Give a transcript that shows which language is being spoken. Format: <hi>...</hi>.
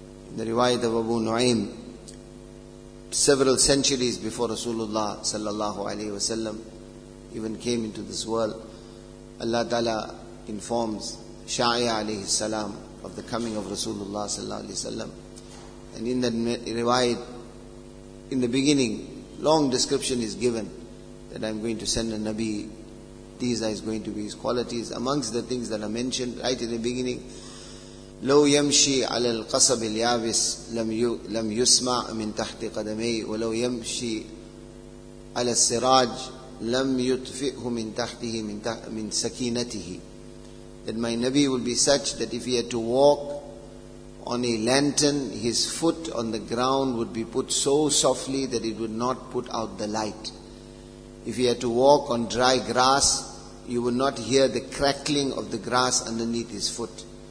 <en>In the riwayat of Abu Nu'aym, several centuries before Rasulullah sallallahu alaihi wasallam even came into this world, Allah Ta'ala informs Sha'ia alayhi salam of the coming of Rasulullah sallallahu alaihi wasallam, and in that riwayat, in the beginning, long description is given that I'm going to send a Nabi, these are going to be his qualities. Amongst the things that are mentioned right in the beginning,</en> <ar>لو يمشي على القصب اليابس لم يسمع من تحت قدمي ولو يمشي على السراج لم يطفئه من تحته من سكينته.</ar> <en>That my Nabi will be such that if he had to walk on a lantern, his foot on the ground would be put so softly that it would not put out the light. If he had to walk on dry grass, you would not hear the crackling of the grass underneath his foot.</en>